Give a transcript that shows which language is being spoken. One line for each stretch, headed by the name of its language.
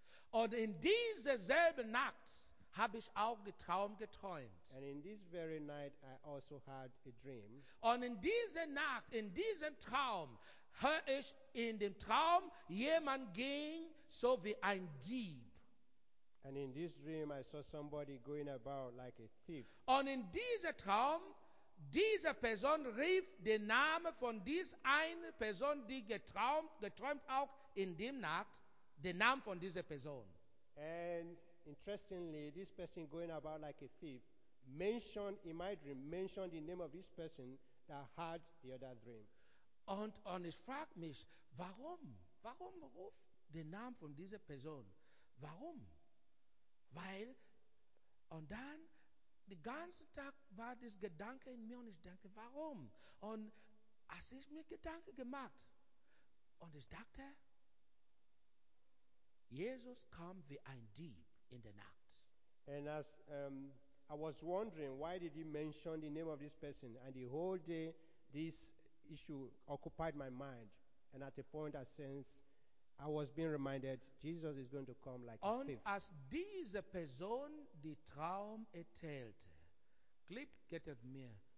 German: Und in dieser selben Nacht habe ich auch den Traum geträumt.
English: And in this very night I also had a dream.
German: Und in dieser Nacht, in diesem Traum, höre ich in dem Traum, jemand ging so wie ein Dieb.
English: And in this dream I saw somebody going about like a thief.
German: Und in diesem Traum, diese Person rief den Namen von dieser einen Person, die geträumt auch in dem Nacht, den Namen von dieser Person.
English: And interestingly, this person going about like a thief mentioned in my dream, mentioned the name of this person that had the other dream.
German: Und ich frage mich, warum? Warum ruft den Namen von dieser Person? Warum? Weil, und dann, den ganzen Tag war das Gedanke in mir und ich denke, warum? Und als ich mir Gedanken gemacht und ich dachte, Jesus kam wie ein Dieb in der Nacht.
English: And as I was wondering, why did he mention the name of this person? And the whole day, this issue occupied my mind. And at a point, I sense I was being reminded, Jesus is going to come like
German: und
English: a thief.
German: Und als diese Person die Traum erzählte,
English: Clip get at me.